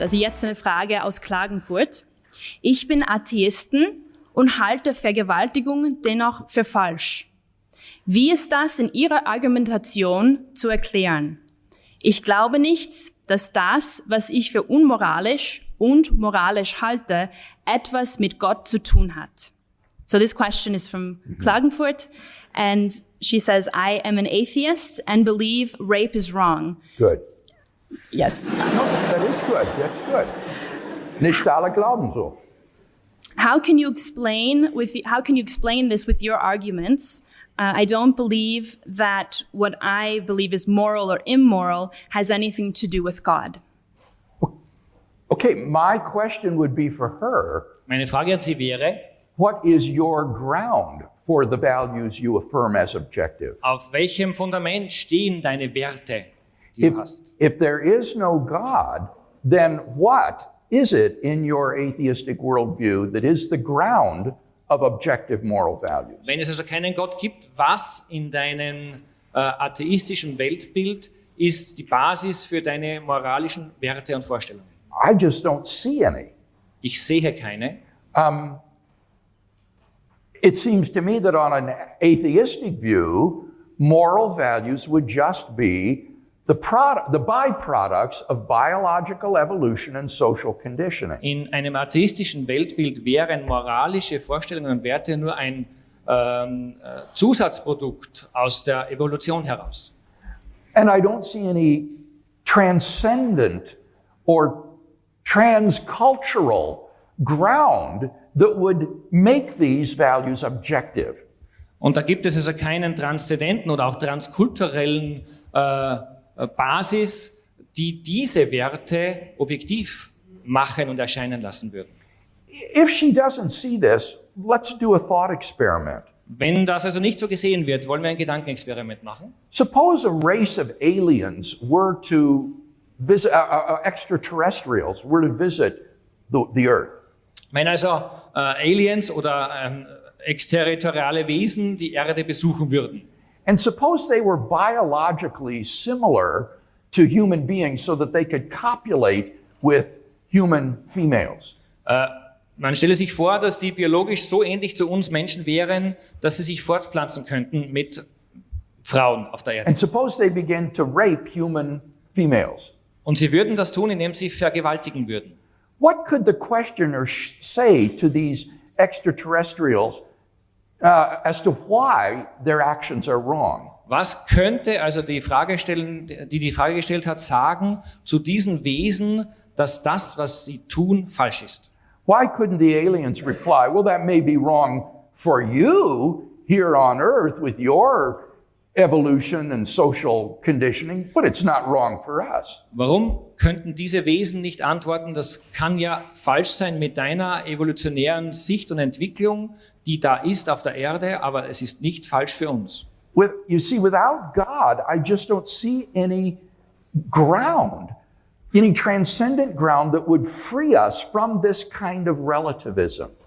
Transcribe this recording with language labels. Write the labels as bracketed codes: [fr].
[de] Also jetzt eine Frage aus Klagenfurt. Ich bin Atheisten und halte Vergewaltigung dennoch für falsch. Wie ist das in Ihrer Argumentation zu erklären? Ich glaube nicht, dass das, was ich für unmoralisch und moralisch halte, etwas mit Gott zu tun hat. [en] So this question is from Klagenfurt, and she says, I am an atheist and believe rape is wrong. Good. Yes. No, that is good. That's good. [de] Nicht alle glauben so. [en] How can you explain this with your arguments? I don't believe that what I believe is moral or immoral has anything to do with God. Okay, my question would be for her. [de] Meine Frage an Sie wäre, [en] what is your ground for the values you affirm as objective? [de] Auf welchem Fundament stehen deine Werte, die [en] if, [de] du hast? [en] If there is no God, then what is it in your atheistic worldview that is the ground of objective moral values? [de] Wenn es also keinen Gott gibt, was in deinem atheistischen Weltbild ist die Basis für deine moralischen Werte und Vorstellungen? [en] I just don't see any. [de] Ich sehe keine. [en] It seems to me that on an atheistic view, moral values would just be the byproducts of biological evolution and social conditioning. [de] In einem atheistischen Weltbild wären moralische Vorstellungen und Werte nur ein Zusatzprodukt aus der Evolution heraus. [en] And I don't see any transcendent or transcultural ground that would make these values objective. [de] Und da gibt es also keinen transzendenten oder auch transkulturellen Basis, die diese Werte objektiv machen und erscheinen lassen würden. [en] If she doesn't see this, let's do a thought experiment. [de] Wenn das also nicht so gesehen wird, wollen wir ein Gedankenexperiment machen? [en] Suppose a race of aliens were to visit extraterrestrials were to visit the earth. [de] Wenn also Aliens oder exterritoriale Wesen die Erde besuchen würden. [en] And suppose they were biologically similar to human beings so that they could copulate with human females. [de] Man stelle sich vor, dass die biologisch so ähnlich zu uns Menschen wären, dass sie sich fortpflanzen könnten mit Frauen auf der Erde. [en] And suppose they began to rape human females. [de] Und sie würden das tun, indem sie vergewaltigen würden. [en] What could the questioner say to these extraterrestrials as to why their actions are wrong? [de] Was könnte also die Fragestellerin, die die Frage gestellt hat, sagen zu diesen Wesen, dass das, was sie tun, falsch ist? [en] Why couldn't the aliens reply, well, that may be wrong for you here on Earth with your evolution and social conditioning, but it's not wrong for us. [de] Warum könnten diese Wesen nicht antworten, das kann ja falsch sein mit deiner evolutionären Sicht und Entwicklung, die da ist auf der Erde, aber es ist nicht falsch für uns. [en] You see, without God, I just don't see any ground, any transcendent ground that would free us from this kind of relativism.